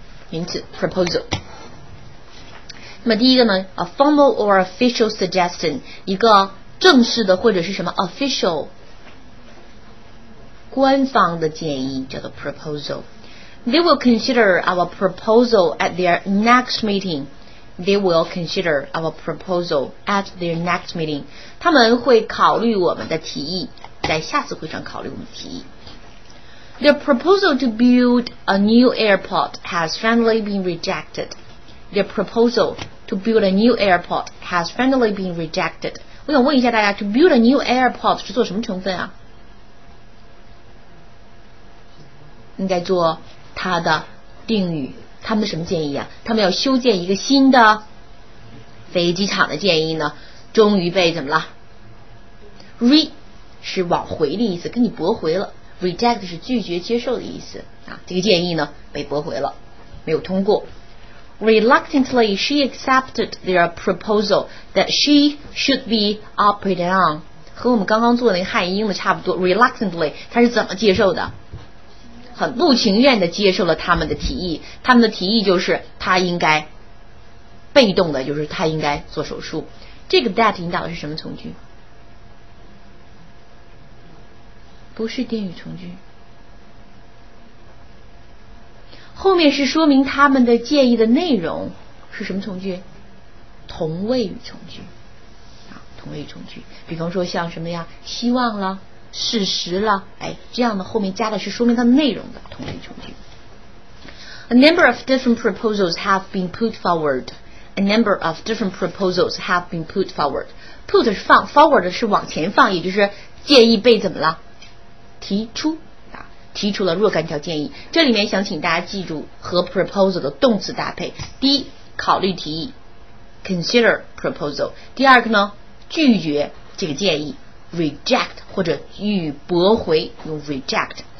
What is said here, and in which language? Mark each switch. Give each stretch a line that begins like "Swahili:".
Chinese: 名词 proposal。那么第一个呢，
English: a formal or official suggestion，
Chinese: 一个正式的或者是什么 official 官方的建议叫做 proposal。
English: They will consider our proposal at their next meeting. They will consider our proposal at their next meeting.
Chinese: 他们会考虑我们的提议，在下次会上考虑我们的提议。
English: Their proposal to build a new airport has finally been rejected. Their proposal to build a new airport has finally been rejected.
Chinese: 我想问一下大家 ，
English: to build a new airport
Chinese: 是做什么成分啊？应该做它的定语。他们的什么建议啊？他们要修建一个新的飞机场的建议呢，终于被怎么了？ re 是往回的意思，跟你驳回了。reject 是拒绝接受的意思啊。这个建议呢被驳回了，没有通过。
English: Reluctantly she accepted their proposal that she should be operated on，
Chinese: 和我们刚刚做的那个汉英的差不多。 Reluctantly 他是怎么接受的？很不情愿地接受了他们的提议，他们的提议就是他应该被动的，就是他应该做手术。这个 that 引导的是什么从句？不是定语从句，后面是说明他们的建议的内容是什么从句？同位语从句啊，同位语从句。比方说像什么呀，希望了，事实了，哎，这样的后面加的是说明它内容的同理从句。
English: A number of different proposals have been put forward. A number of different proposals have been put forward.
Chinese: Put 是放， forward 是往前放，也就是建议被怎么了？提出啊，提出了若干条建议。这里面想请大家记住和 proposal 的动词搭配。第一，考虑提议 ，consider proposal。第二个呢，拒绝这个建议。 Reject 或者予驳回，用 reject。